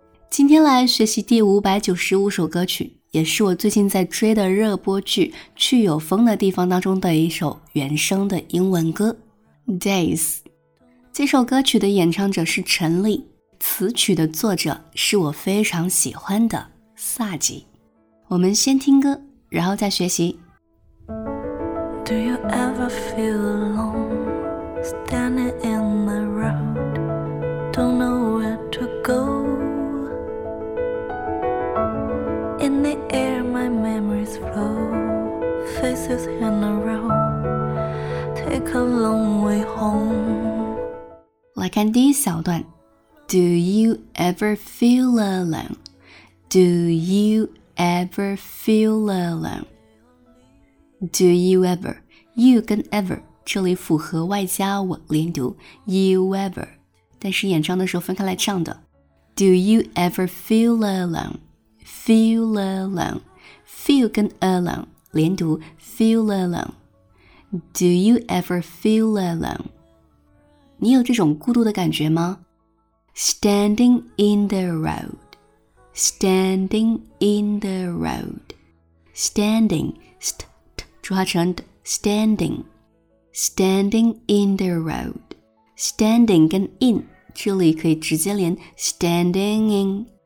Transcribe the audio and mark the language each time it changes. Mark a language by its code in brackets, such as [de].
[zh] 今天来学习第595首歌曲，也是我最近在追的热播剧《去有风的地方》当中的一首原声的英文歌 Days。这首歌曲的演唱者是陈粒，词曲的作者是我非常喜欢的萨吉。我们先听歌，然后再学习。 [en] Do you ever feel alone? Standing in the road, don't know where to go. In the air my memories flow, faces in a row, take a long way home. [zh] 来看第一小段。 [en] Do you ever feel alone? Do you ever feel alone? Do you ever? [zh] You 跟 ever 这里复合外加我连读 [en] You ever [zh] 但是演唱的时候分开来唱的 [en] Do you ever feel alone? Feel alone Feel [zh] 跟 [en] alone [zh] 连读 [en] Feel alone Do you ever feel alone? [zh] 你有这种孤独的感觉吗？ [en] Standing in the road, standing in the road, standing, st, [zh] 浊化成 [en] standing, standing in the road, standing 跟 in, [zh] 这里可以直接连 [en] standing